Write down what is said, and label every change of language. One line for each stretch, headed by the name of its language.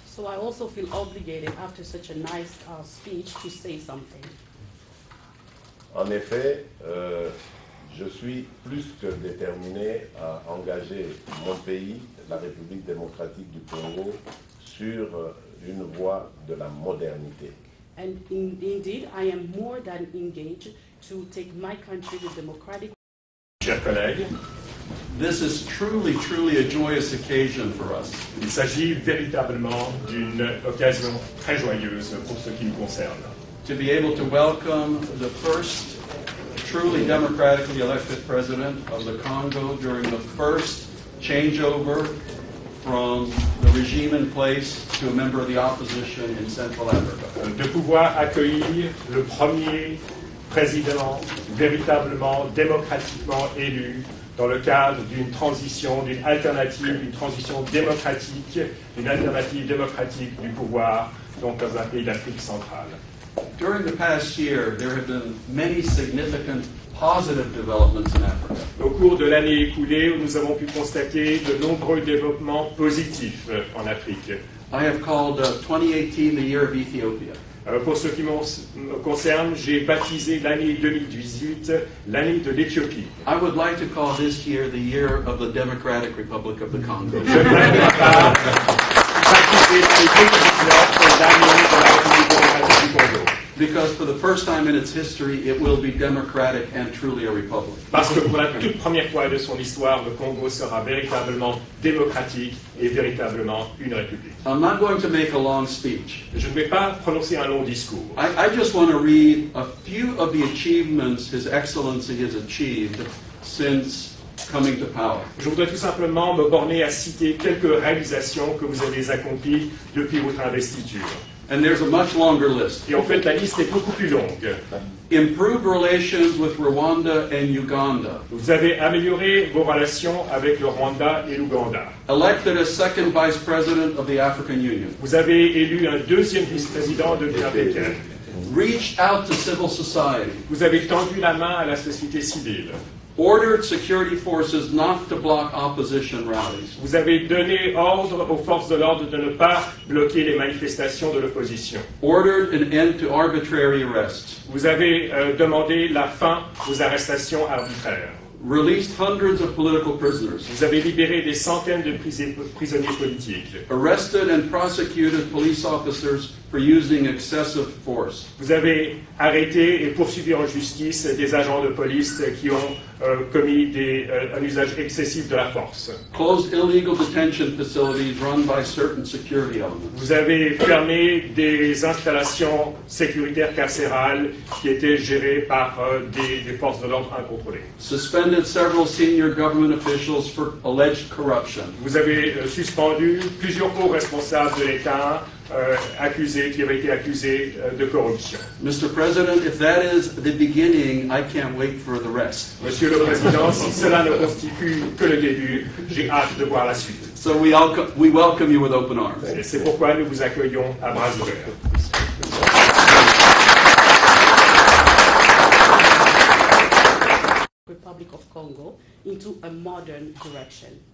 English: So I also feel obligated after such a nice speech to say something.
French: En effet, je suis plus que déterminé à engager mon pays, la République démocratique du Congo, sur une voie de la modernité.
English: And indeed, I am more than engaged to take my country the democratic.
French: Chers collègues,
English: this is truly, truly a joyous occasion for us.
French: Il s'agit véritablement d'une occasion très joyeuse pour ce qui nous concerne.
English: To be able to welcome the first truly democratically elected president of the Congo during the first changeover from the regime in place to a member of the opposition in Central Africa.
French: De pouvoir accueillir le premier président véritablement démocratiquement élu dans le cadre d'une transition, d'une alternative, d'une transition démocratique, d'une alternative démocratique du pouvoir donc dans un pays d'Afrique centrale.
English: During the past year, there have been many significant positive developments in Africa.
French: Au cours de l'année écoulée, nous avons pu constater de nombreux développements positifs en Afrique.
English: I have called 2018 the year of Ethiopia.
French: Pour ce qui me concerne, j'ai baptisé l'année 2018 l'année de l'Éthiopie.
English: I would like to call this year the year of the Democratic Republic of the Congo.
French: Je n'aimerais pas baptiser l'année de la République démocratique du Congo.
English: Because for the first time in its history, it will be democratic and truly a republic.
French: Parce que pour la toute première fois de son histoire, le Congo sera véritablement démocratique et véritablement une république.
English: I'm not going to make a long speech.
French: Je ne vais pas prononcer un long discours.
English: I just want to read a few of the achievements His Excellency has achieved since coming to power.
French: Je voudrais tout simplement me borner à citer quelques réalisations que vous avez accomplies depuis votre investiture.
English: And there's a much longer list.
French: Et en fait, la liste est beaucoup plus longue.
English: Improved relations with Rwanda and Uganda.
French: Vous avez amélioré vos relations avec le Rwanda et l'Ouganda.
English: Elected as second vice president of the African Union.
French: Vous avez élu un deuxième vice-président de l'Union africaine.
English: Reached out to civil society.
French: Vous avez tendu la main à la société civile.
English: Ordered security forces not to block opposition rallies.
French: Vous avez donné ordre aux forces de l'ordre de ne pas bloquer les manifestations de l'opposition.
English: Ordered an end to arbitrary arrests.
French: Vous avez demandé la fin aux arrestations arbitraires.
English: Released hundreds of political prisoners.
French: Vous avez libéré des centaines de prisonniers politiques.
English: Arrested and prosecuted police officers for using excessive force.
French: Vous avez arrêté et poursuivi en justice des agents de police qui ont commis un usage excessif de la force.
English: Closed illegal detention facilities run by certain security elements.
French: Vous avez fermé des installations sécuritaires carcérales qui étaient gérées par des forces de l'ordre incontrôlées.
English: Suspended several senior government officials for alleged corruption.
French: Vous avez suspendu plusieurs hauts responsables de l'État qui avaient été accusés de corruption.
English: Mr. President, if that is the beginning, I can't wait for the rest.
French: Monsieur le Président, si cela ne constitue que le début, j'ai hâte de voir la suite.
English: So we welcome you with open arms.
French: Et c'est pourquoi nous vous accueillons à bras ouverts.
English: Republic of Congo into a modern direction.